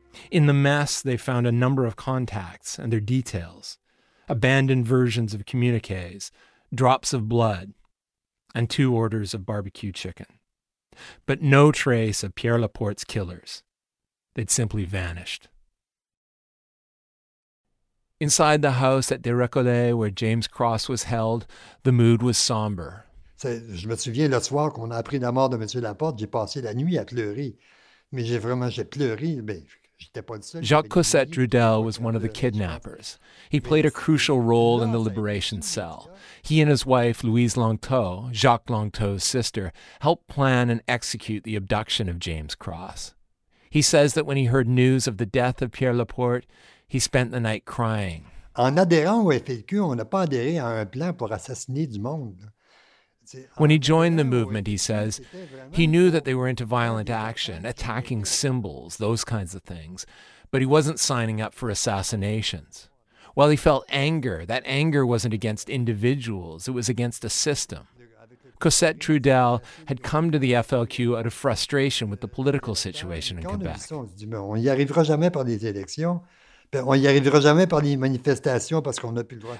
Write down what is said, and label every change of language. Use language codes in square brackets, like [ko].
[en] In the mess, they found a number of contacts and their details, abandoned versions of communiques, drops of blood, and two orders of barbecue chicken. But no trace of Pierre Laporte's killers. They'd simply vanished. Inside the house at Des Récollets, where James Cross was held, the mood was somber. [fr] Je me souviens, le soir qu'on a appris la mort de M. Laporte, j'ai passé la nuit à pleurer. Mais j'ai pleuré, mais j'étais pas le seul. [en] Jacques Cosette Drudel was one of the kidnappers. He played a crucial role in the liberation cell. He and his wife, Louise Longteau, Jacques Longteau's sister, helped plan and execute the abduction of James Cross. He says that when he heard news of the death of Pierre Laporte, he spent the night crying. [fr] En adhérant au FLQ, on n'a pas adhéré à un plan pour assassiner du monde. [en] When he joined the movement, he says, he knew that they were into violent action, attacking symbols, those kinds of things, but he wasn't signing up for assassinations. While he felt anger, that anger wasn't against individuals, it was against a system. Cosette Trudel had come to the FLQ out of frustration with the political situation in Quebec. [fr] On n'y arrivera jamais par les élections. On n'y arrivera jamais par les manifestations parce qu'on n'a plus le droit.